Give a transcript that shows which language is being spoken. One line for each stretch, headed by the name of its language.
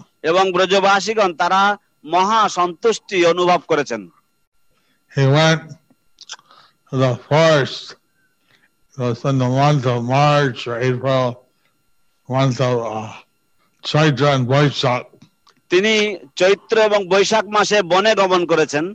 Bangla: এবং ব্রজবাসীগণ তারা মহা সন্তুষ্টি অনুভব করেছেন.
English: He went to the forest, in the month of March or April, month of Chaitra and Vaishak.
Bangla: তিনি চৈত্র এবং বৈশাখ মাসে বনে গমন করেছেন.